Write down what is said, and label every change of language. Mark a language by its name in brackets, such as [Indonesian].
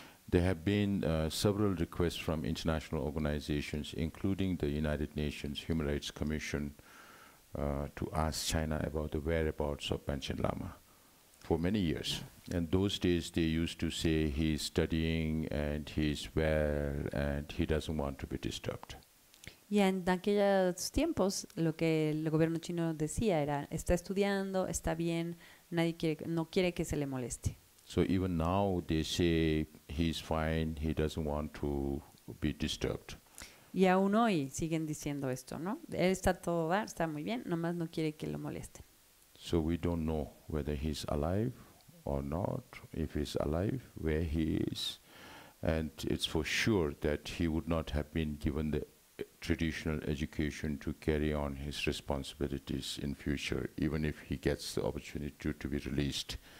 [English] There have been several requests from international organizations, including the United Nations Human Rights Commission, to ask China about the whereabouts of Panchen Lama for many years. And those days they used to say he's studying and he's well and he doesn't want to be disturbed. [Spanish] Y en aquellos tiempos lo que el gobierno chino decía era está estudiando, está bien, nadie quiere, no quiere que se le moleste. [English] So even now they say he's fine, he doesn't want to be disturbed. [Spanish] Y aún hoy siguen diciendo esto, ¿no? Él está todo bien, está muy bien, nomás no quiere que lo moleste. [English] So we don't know whether he's alive or not, if he's alive, where he is. And it's for sure that he would not have been given the traditional education to carry on his responsibilities in future, even if he gets the opportunity to be released.